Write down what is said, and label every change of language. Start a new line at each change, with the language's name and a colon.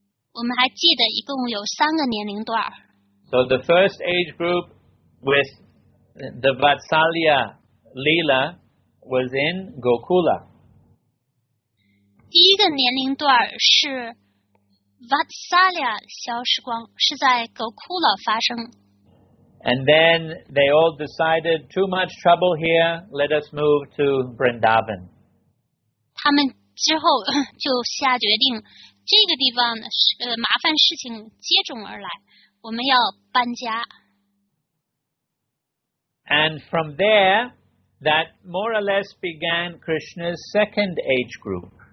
Chinese: 我们还记得一共有三个年龄段。
English: So the first age group with the Vatsalya Leela was in Gokula.
Chinese: 第一个年龄段是 Vatsalya 小时光，是在 Gokula 发生。
English: And then they all decided, too much trouble here, let us move to Vrindavan.
Chinese: 他们之后就下决定，这个地方麻烦事情接踵而来，我们要搬家。
English: And from there, that more or less began Krishna's second age group.